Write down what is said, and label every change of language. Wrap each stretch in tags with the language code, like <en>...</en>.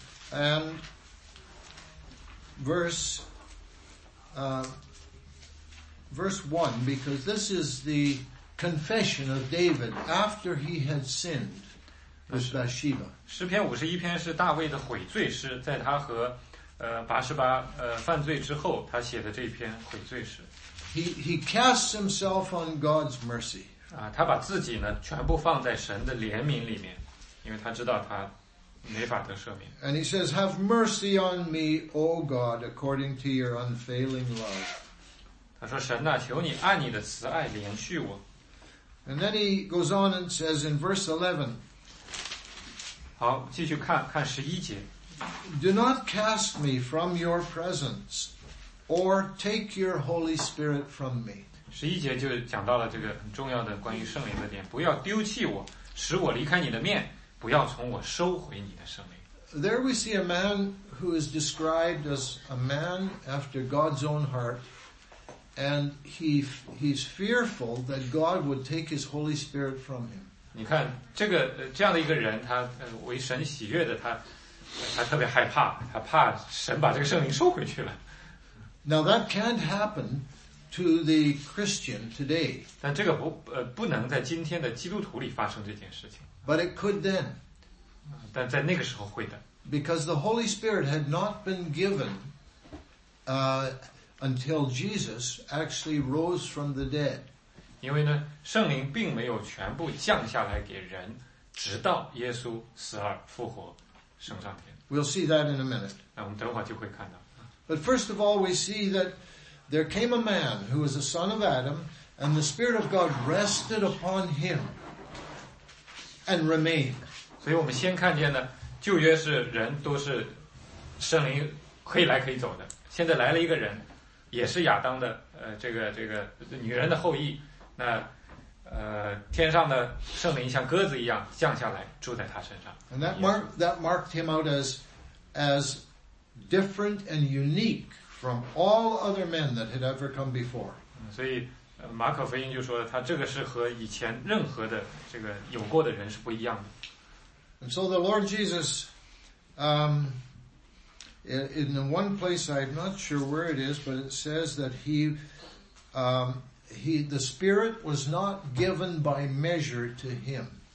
<en>And verse 1, because this is the confession of David after he had sinned with Bathsheba.</en> <zh>诗篇五十一篇是大卫的悔罪诗，在他和拔示巴犯罪之后，他写的这篇悔罪诗。</zh> <en>He casts himself on God's mercy.</en> <zh>他把自己呢全部放在神的怜悯里面，因为他知道他。</zh> <en>And he says, "Have mercy on me, O God, according to your unfailing love."</en> <zh>他说：“神呐，求你按你的慈爱怜恤我。”</zh> <en>And then he goes on and says in verse 11.</en> <zh>好，继续看看十一节。</zh> <en>Do not cast me from your presence, or take your Holy Spirit from me.</en> <zh>十一节就讲到了这个很重要的关于圣灵的点，不要丢弃我，使我离开你的面。不要从我收回你的生命。</zh> <en>There we see a man who is described as a man after God's own heart, and he's fearful that God would take his Holy Spirit from him.</en> <zh>你看这个这样的一个人，他为神喜悦的，他特别害怕，他怕神把这个圣灵收回去了。</zh> <en>Now that can't happen to the Christian today.</en> <zh>但这个不能在今天的基督徒里发生这件事情。</zh> <en>But it could then.</en> <zh>但在那个时候会的。</zh> <en>Because the Holy Spirit had not been given, until Jesus actually rose from the dead.</en> <zh>因为呢，圣灵并没有全部降下来给人，直到耶稣死而复活，升上天。</zh> <en>We'll see that in a minute.</en> <zh>那我们等会儿就会看到。</zh> <en>But first of all, we see that there came a man who was a son of Adam, and the Spirit of God rested upon him. And remain.</en> <zh>所以我们先看见呢，旧约是人都是圣灵可以来可以走的。现在来了一个人，也是亚当的这个女人的后裔。那天上的圣灵像鸽子一样降下来，住在他身上。</zh> <en>And that marked him out as different and unique from all other men that had ever come before.</en> <zh>所以。马可福音就说他这个是和以前任何的这个有过的人是不一样的。</zh> <en>And so the Lord Jesus, in the one place I'm not sure where it is, but it says that he the Spirit was not given by measure to him.</en>